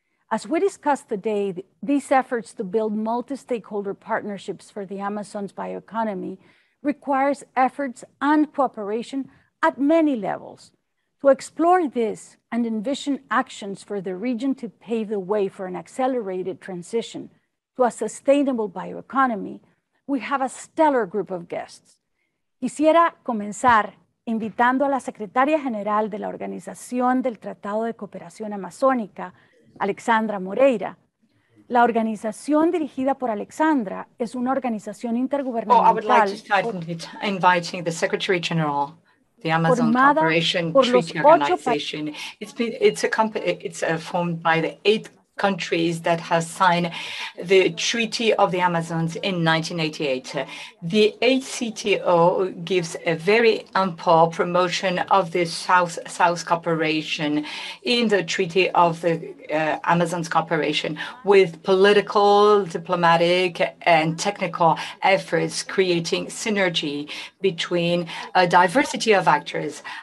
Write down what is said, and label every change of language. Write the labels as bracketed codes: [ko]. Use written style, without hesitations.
[en] As we discuss today, these efforts to build multi-stakeholder partnerships for the Amazon's bioeconomy requires efforts and cooperation at many levels. To explore this and envision actions for the region to pave the way for an accelerated transition to a sustainable bioeconomy, we have a stellar group of guests. [es] Quisiera comenzar invitando a la Secretaria General de la Organización del Tratado de Cooperación Amazónica, Alexandra Moreira. La organización dirigida por Alexandra es una organización intergubernamental. [en] Oh, I would like to start inviting the Secretary General, the Amazon Cooperation Treaty Organization. It's formed by the 8 countries that have signed the Treaty of the Amazons in 1988. The ACTO gives a very ample promotion of the South-South cooperation in the Treaty of the Amazons cooperation with political, diplomatic, and technical efforts, creating synergy between a diversity of actors.